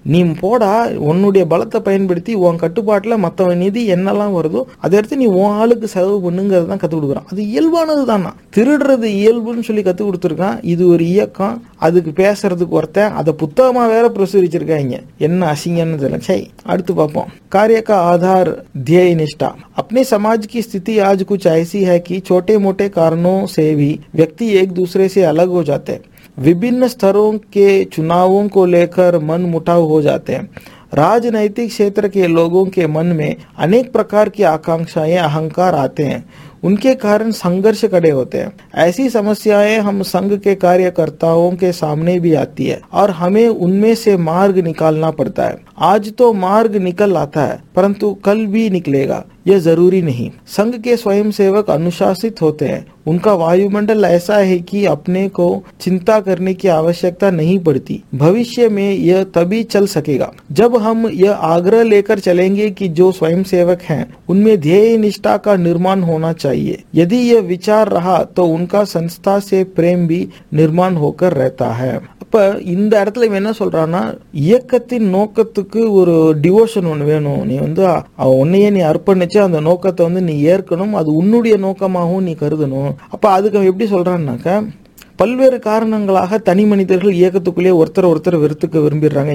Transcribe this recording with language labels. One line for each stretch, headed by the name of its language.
Tamil: நீ போடா உன்னுடைய பலத்தை பயன்படுத்தி உன் கட்டுப்பாட்டில் மற்றவன் நிதி என்னெல்லாம் வருதோ அதை எடுத்து நீ உன் ஆளுக்கு செலவு பண்ணுங்கிறது தான் கற்றுக் கொடுக்குறான். அது இயல்பானது தானா, திருடுறது இயல்புன்னு சொல்லி கற்றுக் கொடுத்துருக்கான். இது ஒரு இயக்கம், அதுக்கு பேசுறதுக்கு ஒருத்தன், அதை புத்தகமாக வேற பிரசுரிச்சிருக்காங்க, என்ன அசிங்கன்னு.
Hindi: अड़ पापा कार्य का आधार ध्येय निष्ठा। अपने समाज की स्थिति आज कुछ ऐसी है कि छोटे मोटे कारणों से भी व्यक्ति एक दूसरे से अलग हो जाते हैं। विभिन्न स्तरों के चुनावों को लेकर मन मुटाव हो जाते हैं। राजनैतिक क्षेत्र के लोगों के मन में अनेक प्रकार की आकांक्षाएं अहंकार आते हैं, उनके कारण संघर्ष खड़े होते हैं। ऐसी समस्याएं हम संघ के कार्यकर्ताओं के सामने भी आती है और हमें उनमें से मार्ग निकालना पड़ता है। आज तो मार्ग निकल आता है परंतु कल भी निकलेगा, यह जरूरी नहीं। संघ के स्वयंसेवक अनुशासित होते हैं, उनका वायुमंडल ऐसा है कि अपने को चिंता करने की आवश्यकता नहीं पड़ती। भविष्य में यह तभी चल सकेगा जब हम यह आग्रह लेकर चलेंगे कि जो स्वयंसेवक हैं उनमें ध्येय निष्ठा का निर्माण होना चाहिए। यदि यह विचार रहा तो उनका संस्था से प्रेम भी निर्माण होकर रहता है।
Tamil: இப்ப இந்த இடத்துல இவன் என்ன சொல்றான்னா, இயக்கத்தின் நோக்கத்துக்கு ஒரு டிவோஷன் ஒன்று வேணும், நீ வந்து உன்னையே நீ அர்ப்பணிச்சு அந்த நோக்கத்தை வந்து நீ ஏற்கனும், அது உன்னுடைய நோக்கமாகவும் நீ கருதணும். அப்ப அதுக்கு எப்படி சொல்றான்னாக்க, பல்வேறு காரணங்களாக தனி மனிதர்கள் இயக்கத்துக்குள்ளேயே ஒருத்தர் ஒருத்தர் வெறுத்துக்க விரும்பிடுறாங்க.